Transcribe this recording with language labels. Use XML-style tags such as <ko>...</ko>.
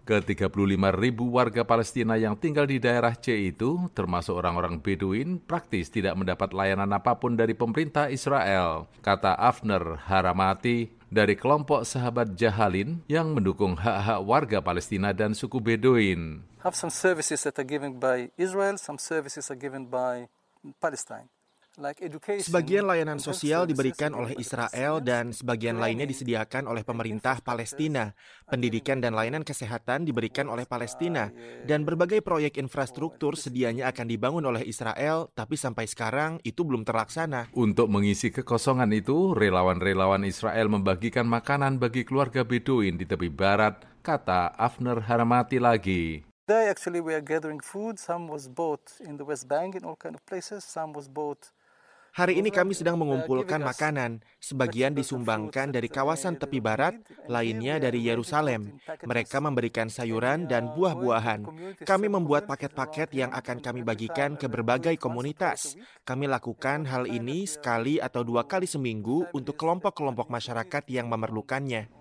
<id>Ke-35.000 warga Palestina yang tinggal di daerah C itu, termasuk orang-orang Beduin, praktis tidak mendapat layanan apapun dari pemerintah Israel, kata Avner Haramati dari kelompok Sahabat Jahalin yang mendukung hak-hak warga Palestina dan suku Beduin.</id> <en>Have some services that are given by Israel, some services are given by Palestine.</en> <id>Sebagian layanan sosial diberikan oleh Israel dan sebagian lainnya disediakan oleh pemerintah Palestina. Pendidikan dan layanan kesehatan diberikan oleh Palestina. Dan berbagai proyek infrastruktur sedianya akan dibangun oleh Israel, tapi sampai sekarang itu belum terlaksana. Untuk mengisi kekosongan itu, relawan-relawan Israel membagikan makanan bagi keluarga Beduin di tepi barat, kata Avner Haramati lagi.</id> <en>Today actually we are gathering food. Some was bought in the West Bank in all kind of places. Some was bought</en> <id>Hari ini kami sedang mengumpulkan makanan. Sebagian disumbangkan dari kawasan tepi barat, lainnya dari Yerusalem. Mereka memberikan sayuran dan buah-buahan. Kami membuat paket-paket yang akan kami bagikan ke berbagai komunitas. Kami lakukan hal ini sekali atau dua kali seminggu untuk kelompok-kelompok masyarakat yang memerlukannya.</id>